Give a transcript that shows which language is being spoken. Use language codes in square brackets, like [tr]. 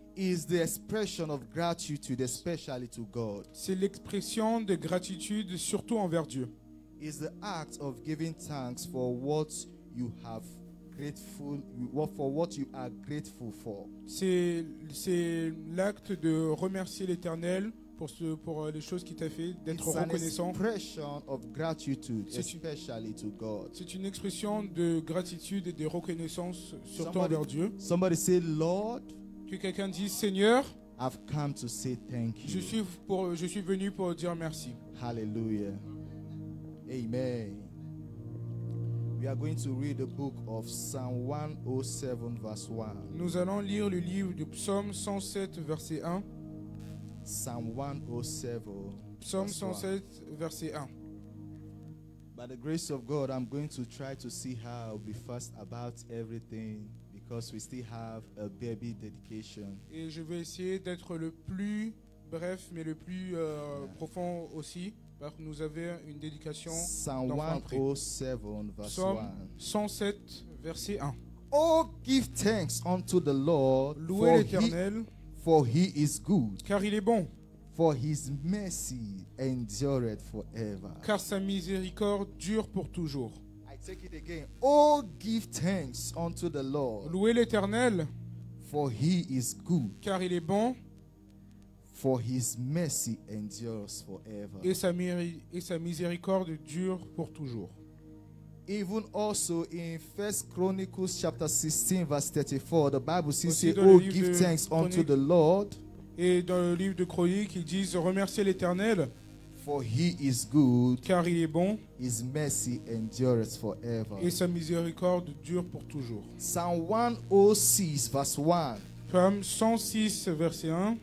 [en] is the expression of gratitude, especially to God. [fr] C'est l'expression de gratitude surtout envers Dieu. [en] Is the act of giving thanks for what you have grateful, for what you are grateful for. [fr] C'est l'acte de remercier l'Éternel pour les choses qu'il t'a fait, d'être [en] It's [fr] reconnaissant. [en] An expression of gratitude, especially to God. [fr] C'est une expression de gratitude et de reconnaissance surtout [en] somebody, [fr] envers Dieu. [en] Somebody say, Lord. [fr] Que quelqu'un dise, Seigneur. [en] I've come to say thank you. [fr] Je suis venu pour dire merci. [en] Hallelujah. Amen. We are going to read the book of Psalm 107, verse 1. [fr] Nous allons lire le livre du Psaume 107, verset 1. [en] Psalm 107. [fr] Psaume 107, verset 1. [en] By the grace of God, I'm going to try to see how I'll be fast about everything because we still have a baby dedication. [fr] Et je vais essayer d'être le plus bref mais le plus profond aussi. Alors nous avons une dédication [en] Psalm 107, verse 1. [fr] Psalm 107, verset 1. [en] Oh, give thanks unto the Lord. [fr] Louez l'Éternel. [en] For he is good. [fr] Car il est bon. [en] For his mercy endureth forever. [fr] Car sa miséricorde dure pour toujours. [en] I take it again. Oh, give thanks unto the Lord. [fr] Louez l'Éternel. [en] For he is good. [fr] Car il est bon. [en] For his mercy endures forever. [fr] Et sa miséricorde dure pour toujours. [en] Even also in 1 Chronicles chapter 16 verse 34, the Bible says, "Oh, give thanks unto the Lord." [fr] Et dans le livre de Chroniques, ils disent remerciez l'Éternel. [en] For he is good. [fr] Car il est bon. [en] His mercy endures forever. [fr] Et sa miséricorde dure pour toujours. [en] Psalm 106 verse 1. [fr] Psalm 106 verset 1.